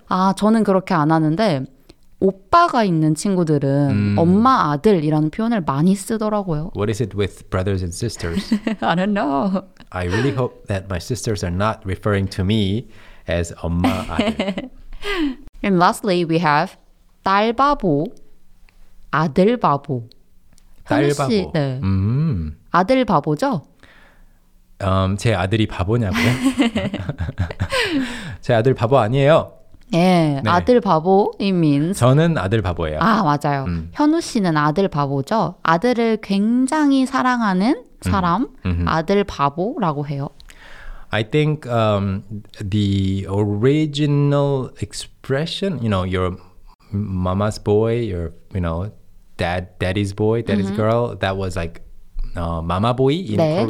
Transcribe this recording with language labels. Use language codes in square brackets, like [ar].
[ko] 아, 저는 그렇게 안 하는데 오빠가 있는 친구들은 엄마 아들이라는 표현을 많이 쓰더라고요. [en] What is it with brothers and sisters? I don't know. I really hope that my sisters are not referring to me as 엄마 아들. And lastly, we have 딸 바보, 아들 바보. [ko] 딸 바보. 네. 아들 바보죠? 제 아들이 바보냐고요? 제 아들 바보 아니에요. 예, 네, 네. 아들 바보, [en] it means. [ko] 저는 아들 바보예요. 아, 맞아요. 현우 씨는 아들 바보죠? 아들을 굉장히 사랑하는 사람, 아들 바보라고 해요. [en] I think the original expression, you know, your mama's boy, your, you know, daddy's boy, daddy's girl, that was like mama boy in 네.